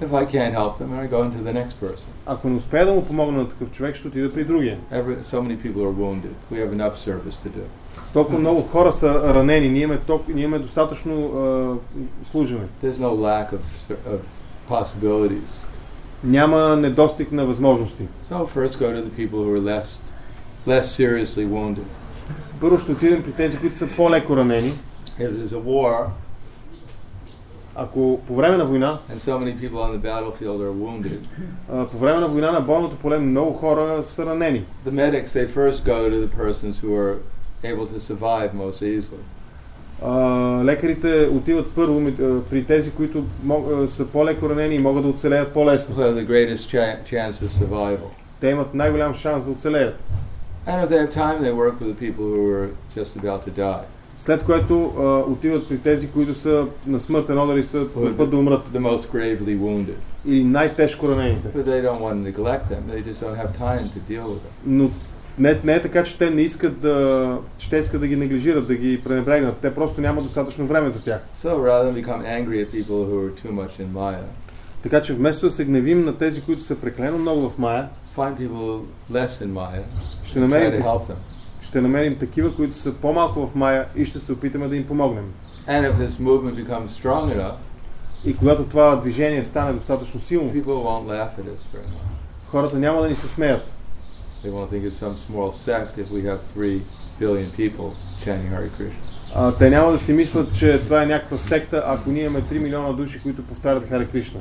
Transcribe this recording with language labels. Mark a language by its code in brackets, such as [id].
[en] If I can't help them, I go into the next person. [bg] Ако не успея да му помогна на такъв човек, ще отида при другия. [en] So many people are wounded. We have enough service to do. [bg] Толкова много хора са ранени, ние имаме достатъчно служене. [en] There's no lack of possibilities. [bg] Няма недостиг на възможности. [en] So first go to the people who are less seriously wounded. [bg] Първо ще отидем при тези, които са по-леко ранени. [en] If there's a war, [bg] ако по време на война, [en] and so many people on the battlefield are wounded, [bg] по време на война на бойното поле много хора са ранени. [en] The medics, they first go to the persons who are able to survive most easily. [bg] Лекарите отиват първо при тези, които са по-леко ранени и могат да оцелеят по-лесно. [en] They have the greatest chance of survival. [bg] Те имат най-голям шанс да оцелеят. [en] And if they have time, they work with the people who are just about to die. [bg] След което отиват при тези, които са на смъртен одър и са на път да умрат. [en] The most gravely wounded. [bg] И най-тежко ранените. [en] But they don't want to neglect them. They just don't have time to deal with them. [bg] Но Не е така, че те не искат да, че те искат да ги неглижират, да ги пренебрегнат. Те просто няма достатъчно време за тях. [en] So rather than become angry at people who are too much in Maya. [bg] Така че вместо да се гневим на тези, които са преклено много в Maya, [en] find people less in Maya. [bg] Ще намерим такива, които са по-малко в Maya и ще се опитаме да им помогнем. [en] And if this movement becomes strong enough, [bg] и когато това движение стане достатъчно силно, [en] people won't laugh at us. [bg] Хората няма да ни се смеят. [en] They won't think it's some small sect if we have 3 billion people chanting Hare Krishna. [bg] Те няма да си мислят, че това е някаква секта, ако ние имаме 3 милиона души, които повтарят Хари Кришна.